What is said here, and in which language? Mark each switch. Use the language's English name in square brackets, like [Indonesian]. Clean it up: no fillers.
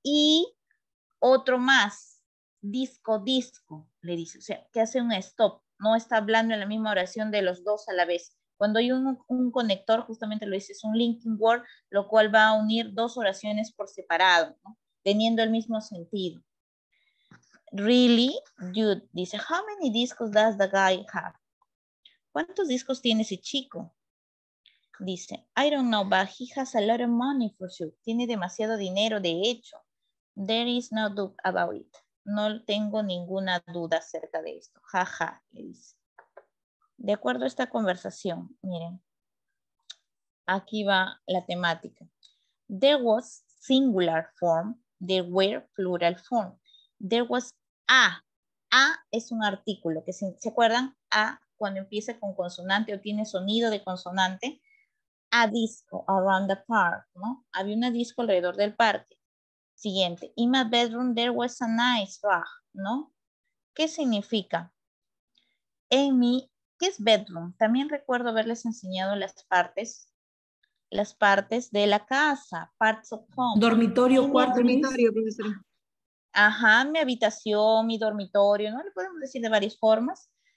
[Spanish] Y otro más, disco, disco, le dice. O sea, que hace un stop. No está hablando en la misma oración de los dos a la vez. Cuando hay un conector, justamente lo dice, es un linking word, lo cual va a unir dos oraciones por separado, ¿no? Teniendo el mismo sentido. [English] Really, dude, dice, how many discos does the guy have? [Spanish] ¿Cuántos discos tiene ese chico? Dice, [English] I don't know, but he has a lot of money for sure. [Spanish] Tiene demasiado dinero, de hecho. [English] There is no doubt about it. [Spanish] No tengo ninguna duda acerca de esto. Ja, ja, le dice. De acuerdo a esta conversación, miren, aquí va la temática. [English] There was singular form, there were plural form. There was a. [Spanish] A es un artículo, que si, ¿se acuerdan? A, cuando empieza con consonante o tiene sonido de consonante. [English] A disco, around the park, [Spanish] ¿no? Había una disco alrededor del parque. Siguiente. [English] In my bedroom, there was a nice rug, ¿no? [Spanish] ¿Qué significa? En mi... ¿Qué es bedroom? También recuerdo haberles enseñado las partes de la casa, [English] parts of home. [Spanish] Dormitorio, cuarto, dormitorio, profesor. Ajá, mi habitación, mi dormitorio, ¿no? Le podemos decir de varias formas.